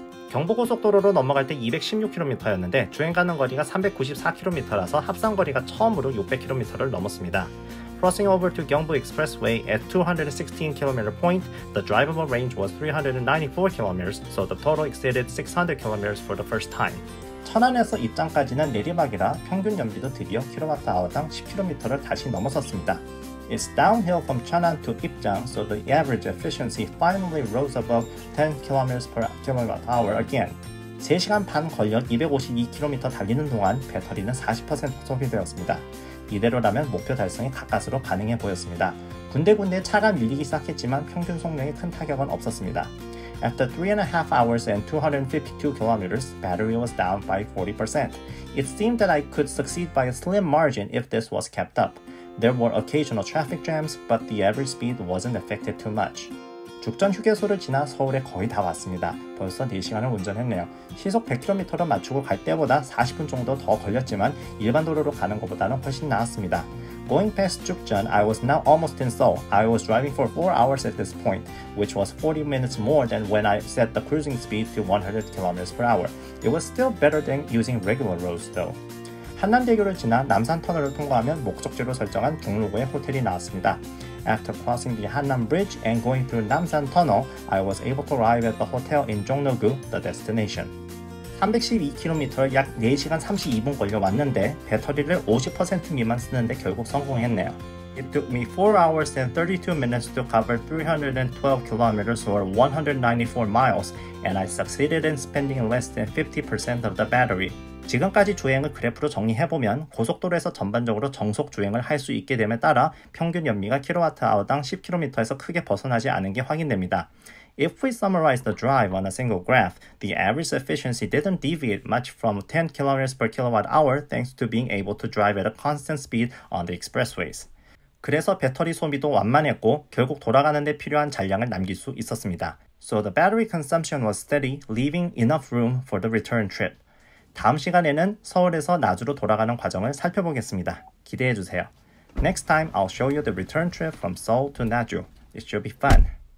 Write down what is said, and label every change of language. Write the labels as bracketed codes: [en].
[ko] 경부고속도로로 넘어갈 때 216km였는데 주행 가능 거리가 394km라서 합산 거리가 처음으로 600km를 넘었습니다. [en] Crossing over to Gyeongbu Expressway at 216km point, the drivable range was 394km, so the total exceeded 600km for the first time. [ko] 천안에서 입장까지는 내리막이라 평균 연비도 드디어 kWh당 10km를 다시 넘어섰습니다. [en] It's downhill from Cheonan to Ipjang, so the average efficiency finally rose above 10 km per kWh again. [ko] 3시간 반 걸려 252km 달리는 동안 배터리는 40% 소비되었습니다. 이대로라면 목표 달성이 가까스로 가능해 보였습니다. 군데군데 차가 밀리기 시작했지만 평균 속력에 큰 타격은 없었습니다. [en] After 3.5 hours and 252 kilometers, battery was down by 40%. It seemed that I could succeed by a slim margin if this was kept up. There were occasional traffic jams, but the average speed wasn't affected too much. [ko] 죽전 휴게소를 지나 서울에 거의 다 왔습니다. 벌써 4시간을 운전했네요. 시속 100km로 맞추고 갈 때보다 40분 정도 더 걸렸지만 일반 도로로 가는 것보다는 훨씬 나았습니다. [en] Going past Jukjeon, I was now almost in Seoul. I was driving for 4 hours at this point, which was 40 minutes more than when I set the cruising speed to 100 km per hour. It was still better than using regular roads though. [ko] 한남대교를 지나 남산터널을 통과하면 목적지로 설정한 중로구의 호텔이 나왔습니다. [en] After crossing the Hanam Bridge and going through Namsan Tunnel, I was able to arrive at the hotel in Jongno-gu, the destination. [ko] 312km 약 4시간 32분 걸려 왔는데 배터리를 50% 미만 쓰는데 결국 성공했네요. [en] It took me 4 hours and 32 minutes to cover 312 kilometers or 194 miles, and I succeeded in spending less than 50% of the battery. [ko] 지금까지 주행을 그래프로 정리해보면 고속도로에서 전반적으로 정속 주행을 할 수 있게 됨에 따라 평균 연비가 kWh당 10km에서 크게 벗어나지 않은 게 확인됩니다. [en] If we summarize the drive on a single graph, the average efficiency didn't deviate much from 10 km per kWh thanks to being able to drive at a constant speed on the expressways. [ko] 그래서 배터리 소비도 완만했고 결국 돌아가는 데 필요한 잔량을 남길 수 있었습니다. [en] So the battery consumption was steady, leaving enough room for the return trip. [ko] 다음 시간에는 서울에서 나주로 돌아가는 과정을 살펴보겠습니다. 기대해 주세요. [en] Next time, I'll show you the return trip from Seoul to Naju. It should be fun.